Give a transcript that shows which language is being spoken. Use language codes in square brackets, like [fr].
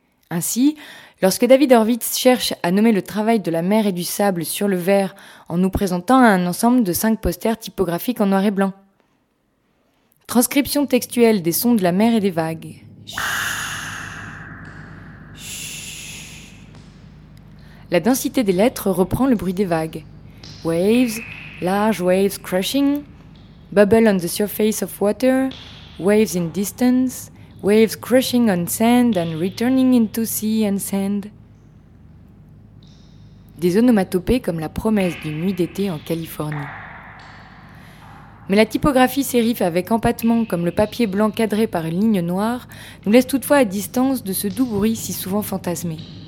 [fr] Ainsi, lorsque David Horwitz cherche à nommer le travail de la mer et du sable sur le verre en nous présentant un ensemble de 5 posters typographiques en noir et blanc. Transcription textuelle des sons de la mer et des vagues. La densité des lettres reprend le bruit des vagues. [en] Waves, large waves crashing, bubble on the surface of water, waves in distance, waves crashing on sand and returning into sea and sand. [fr] Des onomatopées comme la promesse d'une nuit d'été en Californie. Mais la typographie sérif avec empattement comme le papier blanc cadré par une ligne noire nous laisse toutefois à distance de ce doux bruit si souvent fantasmé.